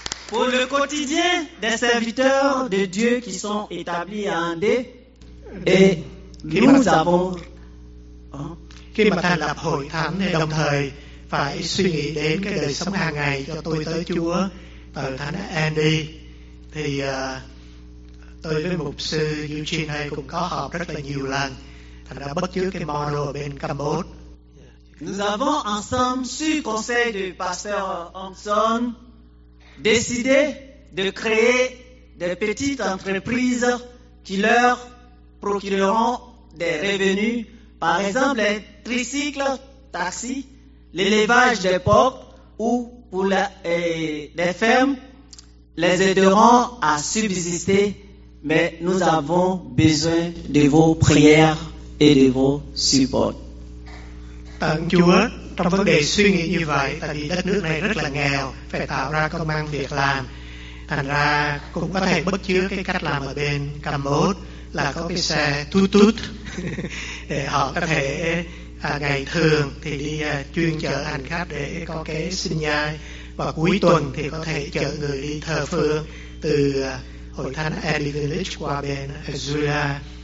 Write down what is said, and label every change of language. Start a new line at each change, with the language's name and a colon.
French: Pour le quotidien des serviteurs de Dieu qui sont établis à Andé, et nous avons
Vietnamese: khi mà thành lập hội thánh, đồng thời phải suy nghĩ đến cái đời sống hàng ngày cho tôi tới Chúa từ Thánh Andy. Thì tôi với mục sư Eugene này cũng có họp rất là nhiều lần, thành ra bất chước cái model bên Campuchia.
French: Nous avons ensemble, sur conseil du pasteur Hanson, décidé de créer des petites entreprises qui leur procureront des revenus, par exemple les tricycles, taxi, l'élevage des porcs ou pour les fermes, les aideront à subsister. Mais nous avons besoin de vos prières et de vos supports.
Vietnamese: Tạ Chúa trong vấn đề suy nghĩ như vậy, tại vì đất nước này rất là nghèo, phải tạo ra công ăn việc làm. Thành ra cũng có thể bất chước cái cách làm ở bên Campuchia là có cái xe tutut để họ có thể ngày thường thì đi chuyên chở hành khách để có cái sinh nhai, và cuối tuần thì có thể chở người đi thờ phượng từ hội thánh Andy Village qua bên Azura.